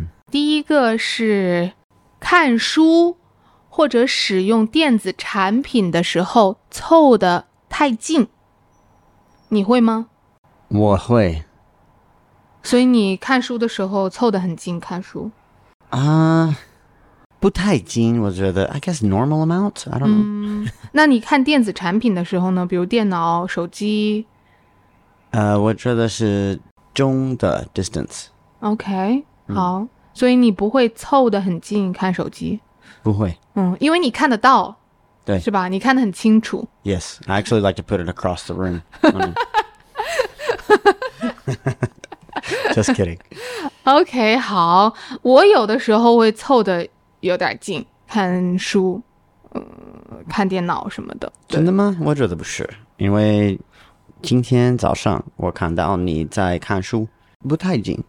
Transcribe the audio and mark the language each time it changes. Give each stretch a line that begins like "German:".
Chinese: 第一个是看书或者使用电子产品的时候凑得太近，你会吗？我会。所以你看书的时候凑得很近看书？不太近，我觉得
English: I guess normal amount, I don't know。
Chinese: 那你看电子产品的时候呢？比如电脑、手机？我觉得是中的 distance。 OK、好，所以你不会凑得很近看手机？不会。因为你看得到。对，是吧？你看得很清楚。
English: Yes, I actually like to put it across the room. Just kidding.
Chinese: OK, 好，我有的时候会凑得有点近看书，看电脑什么的。真的吗？我觉得不是，因为今天早上我看到你在看书，不太近。